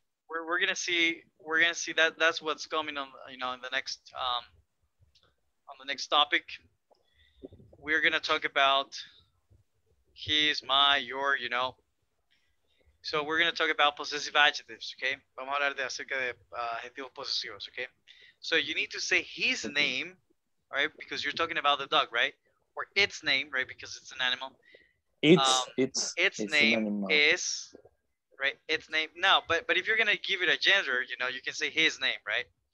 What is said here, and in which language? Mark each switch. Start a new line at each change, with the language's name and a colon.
English: We're gonna see that that's what's coming on. You know, in the next topic, we're gonna talk about his, my, your. You know. So we're gonna talk about possessive adjectives. Okay.
Spanish: Vamos a hablar de acerca de adjetivos posesivos.
English: Okay. So you need to say his name, right? Because you're talking about the dog, right? Or its name, right? Because it's an animal. Its name is, right? Now, but if you're gonna give it a gender, you know, you can say his name, right?